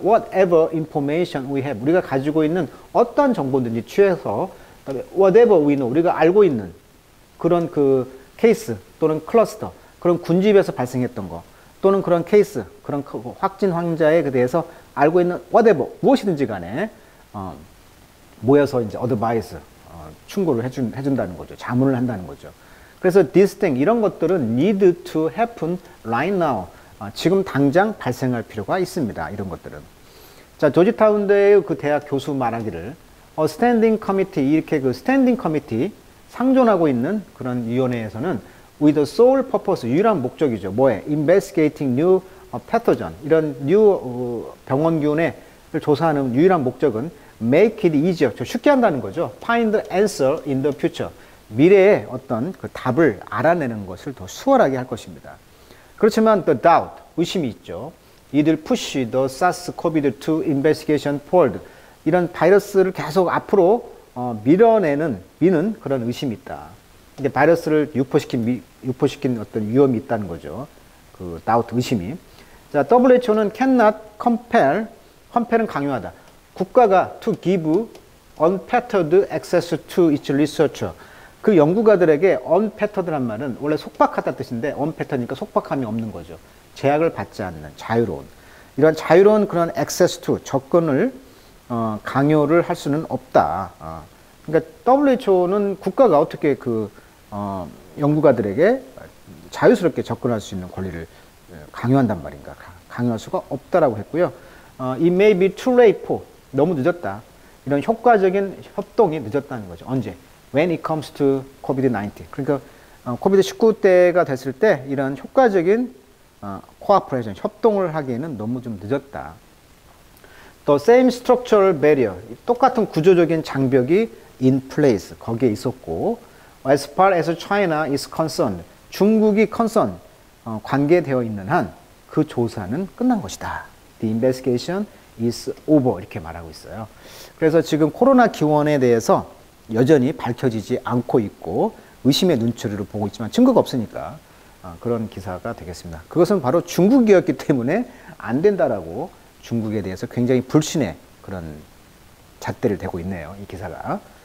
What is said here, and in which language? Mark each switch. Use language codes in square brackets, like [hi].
[en] Whatever information we have, [ko] 우리가 가지고 있는 어떤 정보든지 취해서, [en] whatever we know, [ko] 우리가 알고 있는 그런 그 케이스 또는 클러스터, 그런 군집에서 발생했던 거, 또는 그런 케이스, 그런 확진 환자에 대해서 알고 있는 whatever, 무엇이든지 간에 모여서 이제 어드바이스, 충고를 해준다는 거죠. 자문을 한다는 거죠. [en] 그래서 this thing [ko] 이런 것들은 [en] need to happen right now. [ko] 지금 당장 발생할 필요가 있습니다. 이런 것들은. 자, 조지타운대의 그 대학 교수 말하기를 [en] a standing committee [ko] 이렇게 그 standing committee 상존하고 있는 그런 위원회에서는 [en] with the sole purpose [ko] 유일한 목적이죠. 뭐에? [en] investigating new pathogen [ko] 이런 new 병원균을 조사하는 유일한 목적은 [en] make it easier [ko] 쉽게 한다는 거죠. [en] find the answer in the future [ko] 미래의 어떤 그 답을 알아내는 것을 더 수월하게 할 것입니다. 그렇지만 the doubt 의심이 있죠. [en] It will push the SARS-CoV-2 investigation forward [ko] 이런 바이러스를 계속 앞으로 미는 그런 의심이 있다. 이제 바이러스를 유포시킨 어떤 위험이 있다는 거죠. 그 doubt 의심이. [en] 자, WHO는 cannot compel. [ko] compel은 강요하다. 국가가 [en] to give unfettered access to its researcher. [ko] 그 연구가들에게 unfettered란 말은 원래 속박하다 뜻인데 unfettered니까 속박함이 없는 거죠. 제약을 받지 않는 자유로운 이런 자유로운 그런 [en] access to [ko] 접근을 강요를 할 수는 없다. 그러니까 WHO는 국가가 어떻게 그 연구가들에게 자유스럽게 접근할 수 있는 권리를 강요한단 말인가? 강요할 수가 없다라고 했고요. [en] It may be too late for [ko] 너무 늦었다. 이런 효과적인 협동이 늦었다는 거죠. 언제? [en] When it comes to COVID-19. [ko] 그러니까 COVID-19 때가 됐을 때 이런 효과적인 cooperation 협동을 하기에는 너무 좀 늦었다. [en] The same structural barrier [ko] 똑같은 구조적인 장벽이 [en] in place [ko] 거기에 있었고 [en] as far as China is concerned [ko] 중국이 concerned 관계되어 있는 한 그 조사는 끝난 것이다. [en] The investigation is over [ko] 이렇게 말하고 있어요. 그래서 지금 코로나 기원에 대해서 여전히 밝혀지지 않고 있고 의심의 눈초리로 보고 있지만 증거가 없으니까 그런 기사가 되겠습니다. 그것은 바로 중국이었기 때문에 안 된다라고 중국에 대해서 굉장히 불신의 그런 잣대를 대고 있네요. 이 기사가.